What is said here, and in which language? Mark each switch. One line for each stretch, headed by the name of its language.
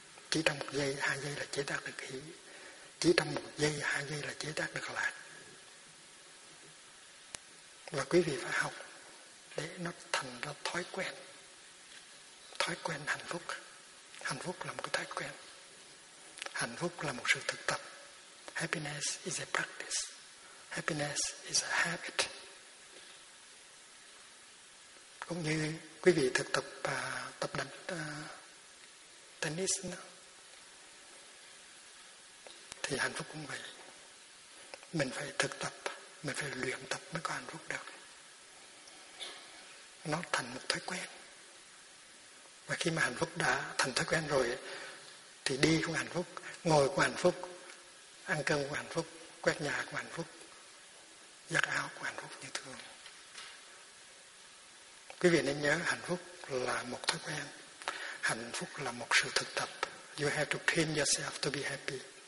Vietnamese: Chỉ trong 1 giây, 2 giây là chế tác được hỷ. Chỉ trong 1 giây, 2 giây là chế tác được lạc. Và quý vị phải học để nó thành ra thói quen. Thói quen hạnh phúc. Hạnh phúc là một cái thói quen. Hạnh phúc là một sự thực tập.
English: Happiness is a practice. Happiness is a habit.
Vietnamese: Cũng như quý vị thực tập tập đánh tennis nữa. Thì hạnh phúc cũng vậy. Mình phải thực tập, mình phải luyện tập mới có hạnh phúc được. Nó thành một thói quen. Và khi mà hạnh phúc đã thành thói quen rồi, thì đi cũng hạnh phúc, ngồi cũng hạnh phúc, ăn cơm cũng hạnh phúc, quét nhà cũng hạnh phúc, giặt áo cũng hạnh phúc như thường. Quý vị nên nhớ, hạnh phúc là một thói quen. Hạnh phúc là một sự thực tập.
English: You have to train yourself to be happy.